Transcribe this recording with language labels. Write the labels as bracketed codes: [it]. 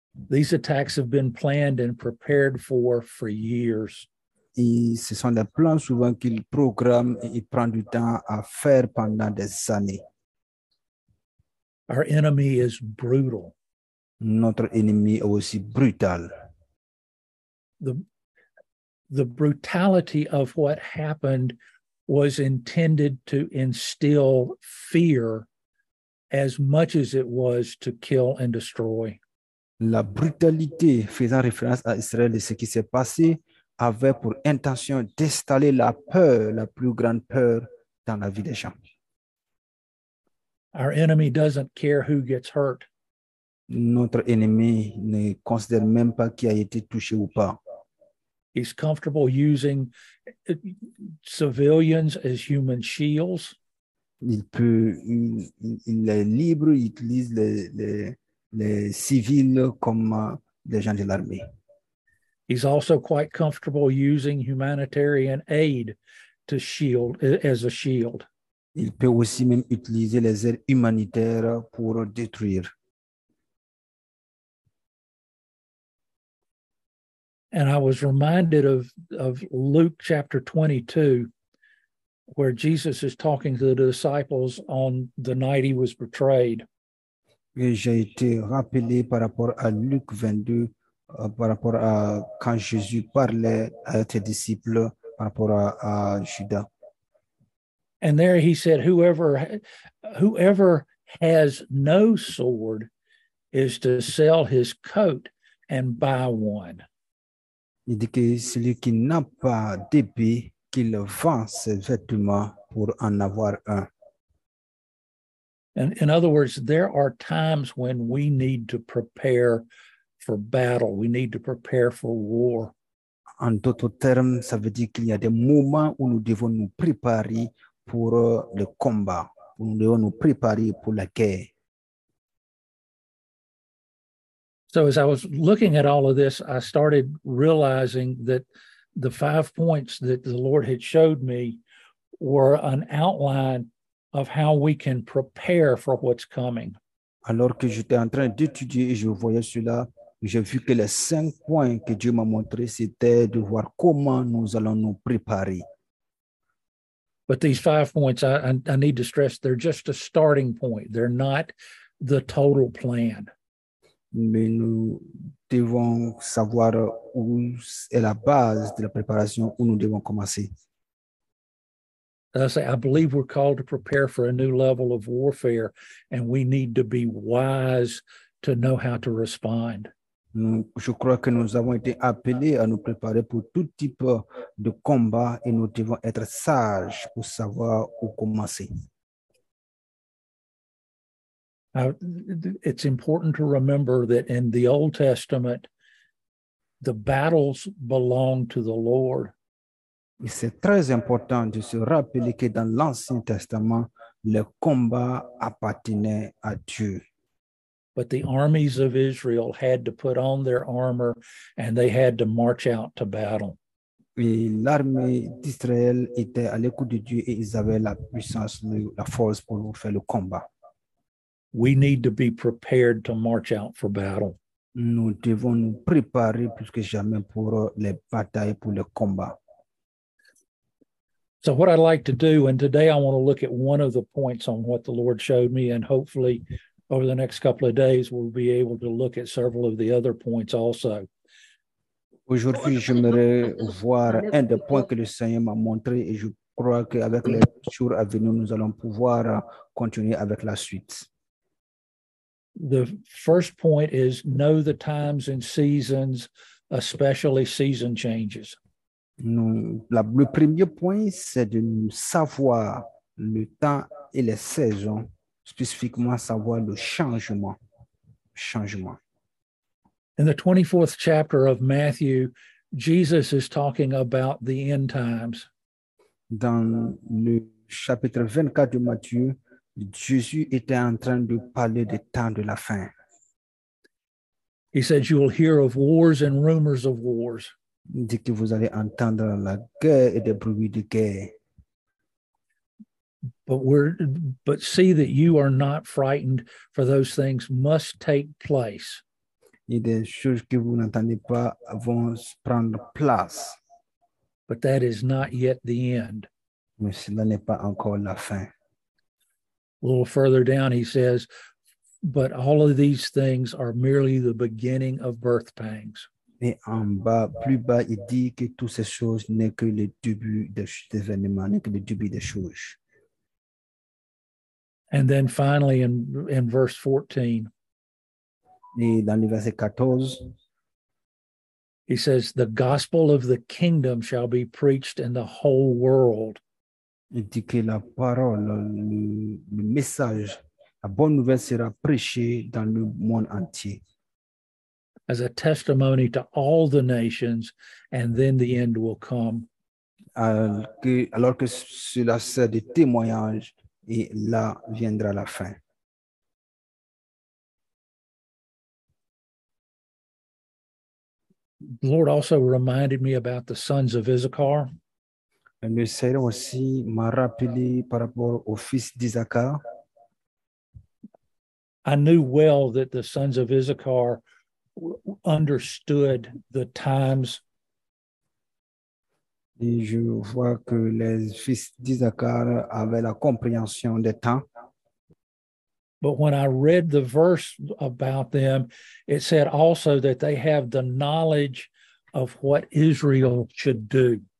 [en] These attacks have been planned and prepared for years. [fr] Et ce sont des plans souvent qu'il programme et il prend du temps à faire pendant des années. [en] Our enemy is brutal. [fr] Notre ennemi est aussi brutal. [en] The brutality of what happened was intended to instill fear as much as it was to kill and destroy. [fr] La brutalité faisant référence à Israël et ce qui s'est passé avait pour intention d'installer la peur, la plus grande peur dans la vie des gens. [en] Our enemy doesn't care who gets hurt. [fr] Notre ennemi ne considère même pas qui a été touché ou pas. [en] He's comfortable using civilians as human shields. [fr] Il est libre, il utilise les civils comme les gens de l'armée. [en] He's also quite comfortable using humanitarian aid to shield as a shield. [fr] Il peut aussi même utiliser les aides humanitaires pour détruire. [en] And I was reminded of Luke chapter 22, where Jesus is talking to the disciples on the night he was betrayed. [fr] Et j'ai été rappelé par rapport à Luc 22, par rapport à quand Jésus parlait à ses disciples, par rapport à Judas. [en] And there he said, whoever has no sword is to sell his coat and buy one. [fr] Il dit que celui qui n'a pas d'épée, qu'il vend ses vêtements pour en avoir un. [en] And in other words, there are times when we need to prepare for battle. We need to prepare for war. [fr] En d'autres termes, ça veut dire qu'il y a des moments où nous devons nous préparer pour le combat, où nous devons nous préparer pour la guerre. [en] So as I was looking at all of this, I started realizing that the 5 points that the Lord had showed me were an outline of how we can prepare for what's coming. [fr] Alors que j'étais en train d'étudier et je voyais cela, j'ai vu que les 5 points que Dieu m'a montré, c'était de voir comment nous allons nous préparer. [en] But these 5 points, I need to stress, they're just a starting point. They're not the total plan. [fr] Mais nous devons savoir où est la base de la préparation, où nous devons commencer. [en] As I say, I believe we're called to prepare for a new level of warfare, and we need to be wise to know how to respond. [fr] Je crois que nous avons été appelés à nous préparer pour tout type de combat, et nous devons être sages pour savoir où commencer. [en] It's important to remember that in the Old Testament, the battles belong to the Lord. [fr] Et c'est très important de se rappeler que dans l'Ancien Testament, le combat appartenait à Dieu. [en] But the armies of Israel had to put on their armor and they had to march out to battle. [fr] Et l'armée d'Israël était à l'écoute de Dieu et ils avaient la puissance, la force pour faire le combat. [en] We need to be prepared to march out for battle. [fr] Nous devons nous préparer plus que jamais pour les batailles, pour le combat. [en] So what I'd like to do, and today I want to look at one of the points on what the Lord showed me, and hopefully over the next couple of days we'll be able to look at several of the other points also. [fr] Aujourd'hui, j'aimerais voir un des points que le Seigneur m'a montré, et je crois qu'avec les jours à venir, nous allons pouvoir continuer avec la suite. [en] The first point is know the times and seasons, especially season changes. [fr] Le premier point, c'est de savoir le temps et les saisons, spécifiquement savoir le changement. Changement. [en] In the 24th chapter of Matthew, Jesus is talking about the end times. [fr] Dans le chapitre 24 de Matthieu, Jésus était en train de parler des temps de la fin. [en] He said, you will hear of wars and rumors of wars. [fr] Il dit que vous allez entendre la guerre et des bruits de guerre. [en] But see that you are not frightened, for those things must take place. [fr] Et des choses que vous n'entendez pas vont prendre place. [en] But that is not yet the end. [fr] Mais cela n'est pas encore la fin. [en] A little further down, he says, but all of these things are merely the beginning of birth pangs. [fr] Et en bas, plus bas, il dit que toutes ces choses n'est que le début des événements, n'est que le début des choses. [en] And then finally, in verse 14, [fr] et dans le verset 14, [en] he says, the gospel of the kingdom shall be preached in the whole world. [fr] Il dit que la parole, le message, la bonne nouvelle sera prêchée dans le monde entier. [en] As a testimony to all the nations, and then the end will come. [fr] Alors que cela sert de témoignage, et là viendra la fin. [en] The Lord also reminded me about the sons of Issachar. [fr] Le Seigneur aussi m'a rappelé par rapport au fils d'Issachar. [en] I knew well that the sons of Issachar understood the times. [fr] Et je vois que les fils d'Issachar avaient la compréhension des temps. [en] But when I read the verse about them, it said also that they have the knowledge of what Israel should do.